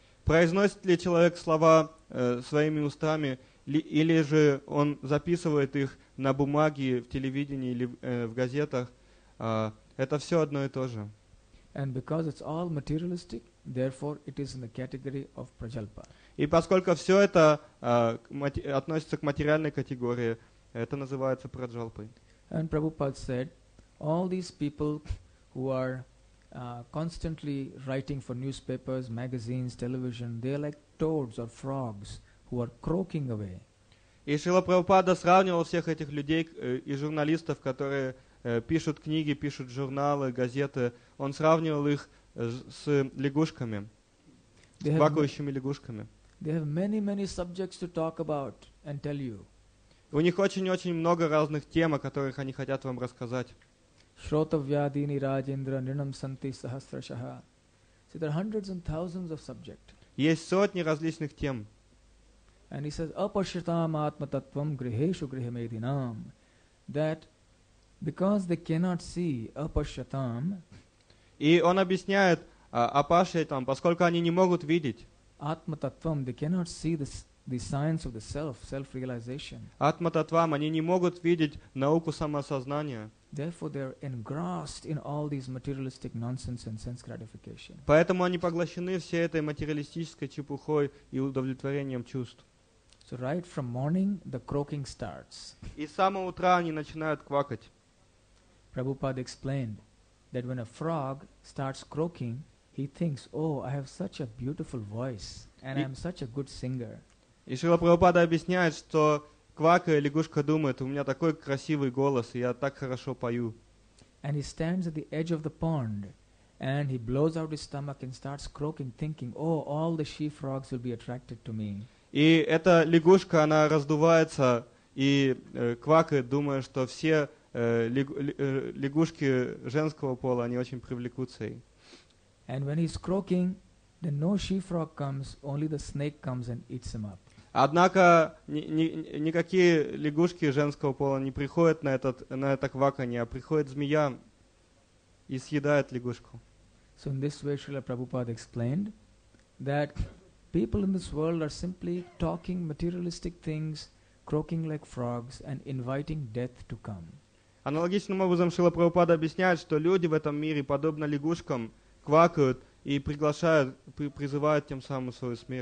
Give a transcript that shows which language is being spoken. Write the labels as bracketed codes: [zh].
[ru] Произносит ли человек слова своими устами, или же он записывает их на бумаге, в телевидении или в газетах, это все одно и то же. [en] And because it's all materialistic, therefore it is in the category of prajalpa. [ru] И поскольку все это относится к материальной категории, это называется праджалпой. [en] And Prabhupada said, all these people who are constantly writing for newspapers, magazines, television, they are like toads or frogs who are croaking away. [ru] И Шрила Прабхупада сравнивал всех этих людей и журналистов, которые пишут книги, пишут журналы, газеты. Он сравнивал их с лягушками, с квакающими лягушками. [en] They have many, many subjects to talk about and tell you. [ru] У них очень-очень много разных тем, о которых они хотят вам рассказать. [sa] Шротавьядини Раджиндра Нринам Санти Сахасрашаха. [en] See, there are hundreds and thousands of subjects. [ru] Есть сотни различных тем. [en] And he says, [sa] Апаршитам Атмататтвам Грихешу Грихамединам. [en] That because they cannot see Апаршитам, [ru] и он объясняет апашьятам, поскольку они не могут видеть [en] атма-таттвам, they cannot see the science of the self, self-realization. [ru] Атма-таттвам, они не могут видеть науку самосознания. [en] Therefore, they are engrossed in all these materialistic nonsense and sense gratification. [ru] Поэтому они поглощены всей этой материалистической чепухой и удовлетворением чувств. [en] So right from morning, the croaking starts. [ru] И с самого утра они начинают квакать. [en] Prabhupada explained that when a frog starts croaking, he thinks, oh, I have such a beautiful voice, and I'm such a good singer. [ru] И Шрила Прабхупада объясняет, что квакая лягушка думает, у меня такой красивый голос, и я так хорошо пою. [en] And he stands at the edge of the pond, and he blows out his stomach and starts croaking, thinking, oh, all the she frogs will be attracted to me. [ru] И эта лягушка, она раздувается и квакает, думая, что все лягушки женского пола, они очень привлекутся ей. [en] And when he's croaking, then no she frog comes, only the snake comes and eats him up. [ru] Однако никакие лягушки женского пола не приходят на это кваканье, а приходит змея и съедает лягушку. [en] So in this way, Srila Prabhupada explained that people in this world are simply talking materialistic things, croaking like frogs, and inviting death to come. [ru] Аналогичным образом Шрила Прабхупада объясняет, что люди в этом мире, подобно лягушкам, квакают и приглашают, призывают тем самым свою